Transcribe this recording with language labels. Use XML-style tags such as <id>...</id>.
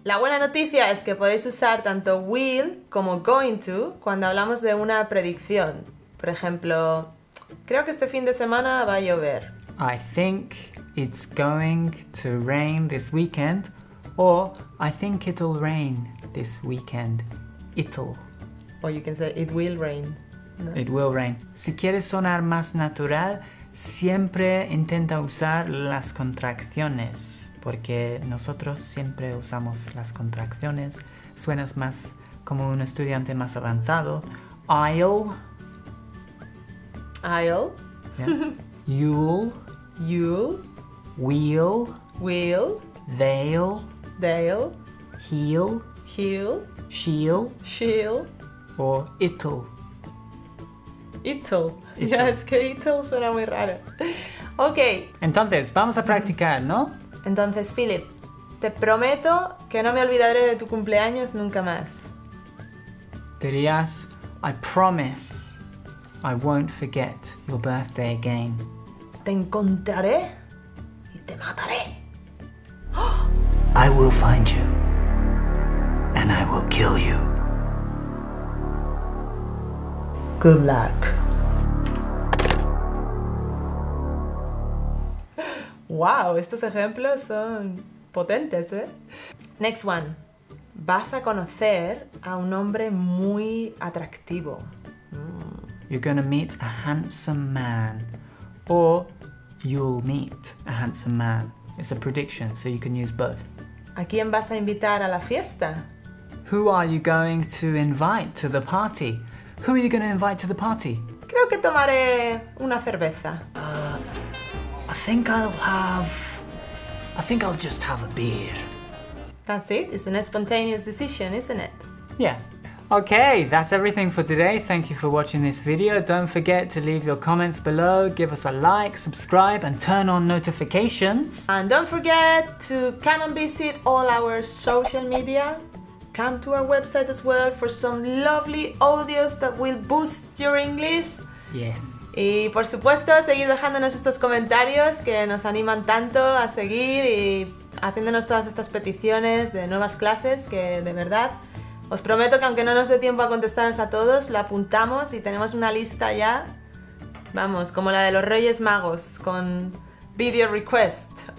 <es>La buena noticia es que podéis usar tanto will como going to cuando hablamos de una predicción. Por ejemplo, creo que este fin de semana va a llover.</es> <en>I think it's going to rain this weekend. Or, I think it'll rain this weekend. It'll. Or you can say, it will rain. No. It will rain.</en> <es>Si quieres sonar más natural, siempre intenta usar las contracciones, porque nosotros siempre usamos las contracciones. Suenas más como un estudiante más avanzado. I'll.</es> <en>Yeah. You'll. Will. They'll. He'll. She'll. She'll. Or it'll.</en> <es>Ital. Yeah, es que Ital suena muy raro. Ok. Entonces, vamos a practicar, ¿no? Entonces, Philip, te prometo que no me olvidaré de tu cumpleaños nunca más. Dirías,</es> <en>I promise I won't forget your birthday again.</en> <es>Te encontraré y te mataré.</es> <en>I will find you and I will kill you. Good luck.</en> <es>Wow, estos ejemplos son potentes, ¿eh?</es> <en>Next one.</en> <es>Vas a conocer a un hombre muy atractivo.</es> <en>You're gonna meet a handsome man. Or you'll meet a handsome man. It's a prediction, so you can use both.</en> <es>¿A quién vas a invitar a la fiesta?</es> <en>Who are you going to invite to the party? Who are you going to invite to the party?</en> <es>Creo que tomaré una cerveza.</es> <en>I think I'll just have a beer. That's it. It's a spontaneous decision, isn't it? Yeah. Okay, that's everything for today. Thank you for watching this video. Don't forget to leave your comments below, give us a like, subscribe, and turn on notifications. And don't forget to come and visit all our social media. Come to our website as well for some lovely audios that will boost your English. Yes.</en> <es>Y por supuesto, seguir dejándonos estos comentarios que nos animan tanto a seguir y haciéndonos todas estas peticiones de nuevas clases que de verdad os prometo que aunque no nos dé tiempo a contestaros a todos, lo apuntamos y tenemos una lista ya, vamos, como la de los Reyes Magos con</es> <en>video request.</en>